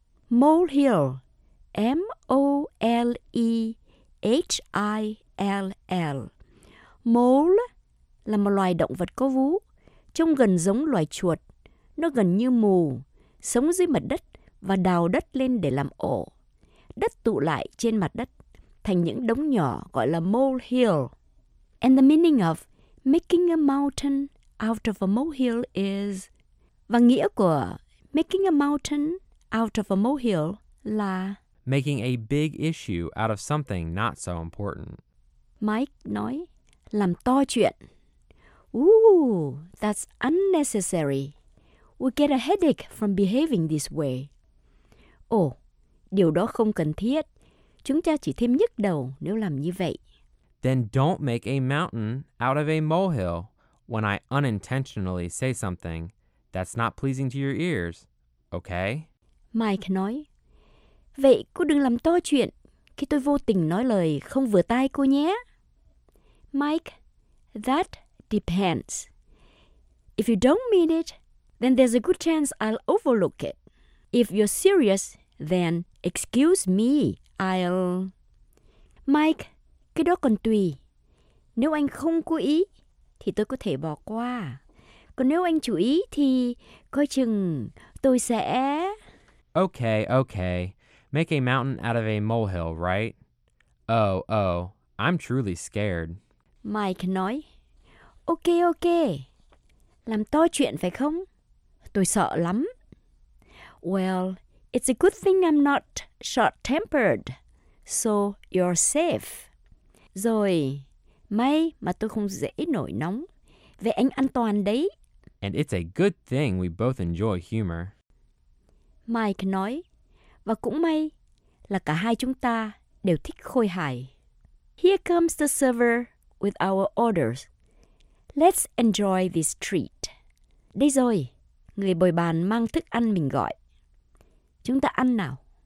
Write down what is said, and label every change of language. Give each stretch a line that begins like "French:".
English: Molehill, M-O-L-E-H-I-L-L. M-O-L-L.
Vietnamese: Mole là một loài động vật có vú, trông gần giống loài chuột. Nó gần như mù, sống dưới mặt đất và đào đất lên để làm ổ. Đất tụ lại trên mặt đất thành những đống nhỏ gọi là molehill.
English: And the meaning of making a mountain out of a molehill is...
Vietnamese: Và nghĩa của
English: making a mountain out of a molehill
Vietnamese: là...
English: Making a big issue out of something not so important.
Vietnamese: Mike nói, làm to chuyện. Ooh,
English: that's unnecessary. We get a headache from behaving this way.
Vietnamese: Oh, điều đó không cần thiết. Chúng ta chỉ thêm nhức đầu nếu làm như vậy.
English: Then don't make a mountain out of a molehill when I unintentionally say something that's not pleasing to your ears, okay?
Vietnamese: Mike nói, vậy cô đừng làm to chuyện khi tôi vô tình nói lời không vừa tai cô nhé.
English: Mike, that depends. If you don't mean it, then there's a good chance I'll overlook it. If you're serious, then excuse me, I'll...
Vietnamese: Mike, cái đó còn tùy. Nếu anh không cố ý, thì tôi có thể bỏ qua. Còn nếu anh chú ý, thì coi chừng tôi sẽ...
English: Okay, okay. Make a mountain out of a molehill, right? Oh, oh, I'm truly scared.
Vietnamese: Mike nói, ok, ok, làm to chuyện phải không? Tôi sợ lắm.
English: Well, it's a good thing I'm not short-tempered, so you're safe.
Vietnamese: Rồi, may mà tôi không dễ nổi nóng, vậy anh an toàn đấy.
English: And it's a good thing we both enjoy humor.
Vietnamese: Mike nói, và cũng may là cả hai chúng ta đều thích khôi hài.
English: Here comes the server with our orders. Let's enjoy this treat.
Vietnamese: Đây rồi, người bồi bàn mang thức ăn mình gọi. Chúng ta ăn nào.